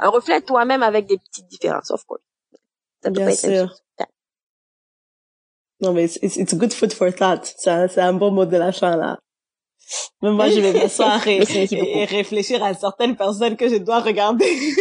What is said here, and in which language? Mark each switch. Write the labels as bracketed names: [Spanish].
[French] Un reflet de toi-même avec des petites différences, [English] of course. [French] Bien sûr. Non, mais [English] it's good food for thought. [French] C'est un bon mot de la fin, là. Mais moi, je vais m'asseoir et réfléchir à certaines personnes que je dois regarder.